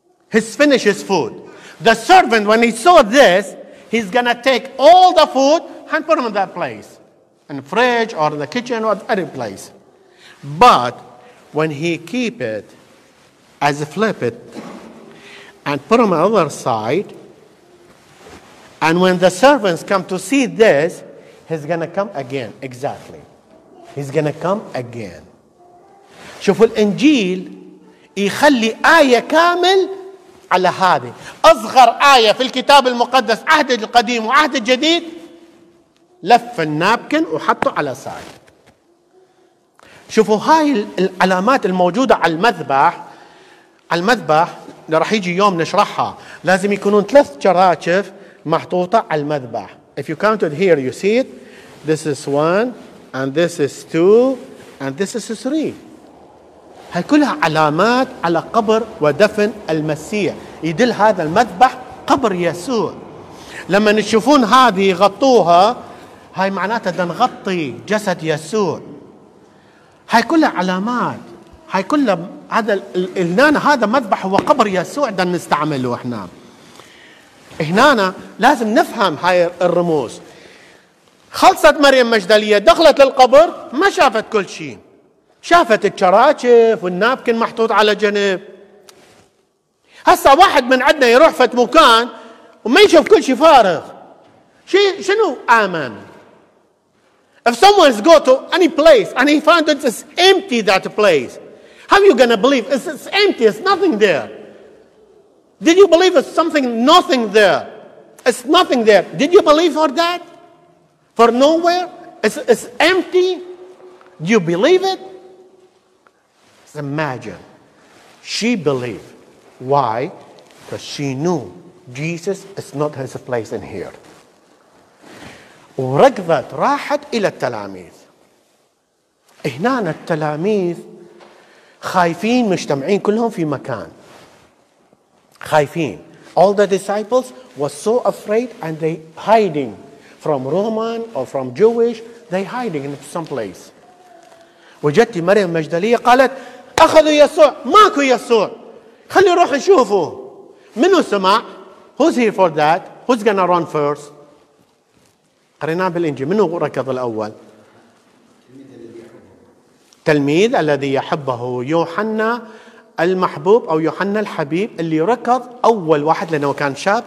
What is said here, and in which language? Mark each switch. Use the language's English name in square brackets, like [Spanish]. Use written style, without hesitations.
[English] He's finished his food. The servant, when he saw this, he's going to take all the food and put them in that place, in the fridge or in the kitchen or any place. But when he keep it as flip it and put them on the other side, and when the servants come to see this, he's going to come again. Exactly. He's going to come again. [Arabic] شوفوا الإنجيل يخلي آية كامل على هذه. أصغر آية في الكتاب المقدس عهد القديم وعهد الجديد لف النابكن وحطه على سايد. شوفوا هاي العلامات الموجودة على المذبح. على المذبح اللي رح يجي يوم نشرحها لازم يكونون ثلاث جراشف محطوطة على المذبح. [English] If you counted here you see it. This is one and this is two and this is three. [Arabic] هاي كلها علامات على قبر ودفن المسيح. يدل هذا المذبح قبر يسوع. لما نشوفون هذه غطوها هاي معناتها دا نغطي جسد يسوع. هاي كلها علامات. هاي كلها هذا الإنان هذا مذبح هو قبر يسوع دا نستعمله احنا. هنا لازم نفهم هاي الرموز. خلصت مريم مجدلية دخلت للقبر ما شافت كل شيء. شافت الكراشف والنابكن محطوط على جنب. هسا واحد من عندنا يروح في مكان وما يشوف كل شيء فارغ. شنو آمن؟ [English] If someone go to any place and he found it is empty that place, how you gonna believe it's empty? It's nothing there. Did you believe it's something? Nothing there. It's nothing there. Did you believe for that? For nowhere? It's empty. Do you believe it? Imagine, she believed. Why? Because she knew Jesus is not his place in here. [Arabic] وركضت راحت إلى التلاميذ. هنا التلاميذ خايفين مجتمعين كلهم في مكان. خايفين. [English] All the disciples were so afraid and they hiding from Roman or from Jewish. They hiding in some place. [Arabic] وجدت مريم المجدلية قالت أخذوا يسوع. ماكو يسوع. خلي نروح نشوفه. منو سمع؟ [English] Who's here for that? Who's gonna run first? [Arabic] قرينا بالإنجيل. منو ركض الأول؟ تلميذ الذي يحبه يوحنا المحبوب أو يوحنا الحبيب اللي ركض أول واحد لأنه كان شاب.